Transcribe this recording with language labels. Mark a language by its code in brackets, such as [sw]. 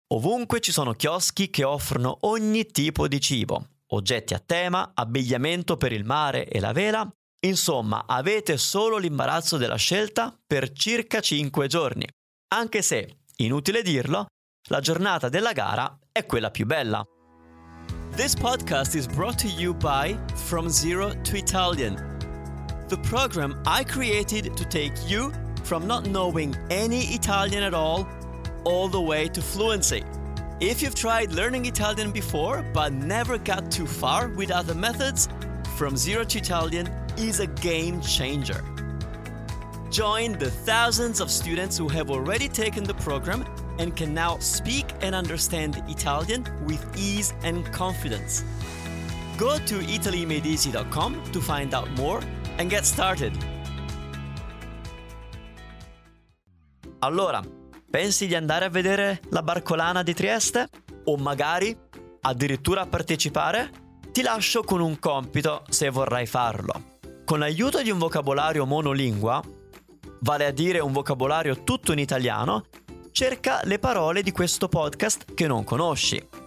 [it] Ovunque ci sono chioschi che offrono ogni tipo di cibo, oggetti a tema, abbigliamento per il mare e la vela. Insomma, avete solo l'imbarazzo della scelta per circa 5 giorni. Anche se, inutile dirlo, la giornata della gara è quella più bella. [en] This podcast is brought to you by From Zero to Italian, the program I created to take you from not knowing any Italian at all the way to fluency. If you've tried learning Italian before but never got too far with other methods, From Zero to Italian is a game changer. Join the thousands of students who have already taken the program and can now speak and understand Italian with ease and confidence. Go to italymadeeasy.com to find out more and get started. [it] Allora, pensi di andare a vedere la barcolana di Trieste? O magari addirittura a partecipare? Ti lascio con un compito se vorrai farlo. Con l'aiuto di un vocabolario monolingua, vale a dire un vocabolario tutto in italiano, cerca le parole di questo podcast che non conosci.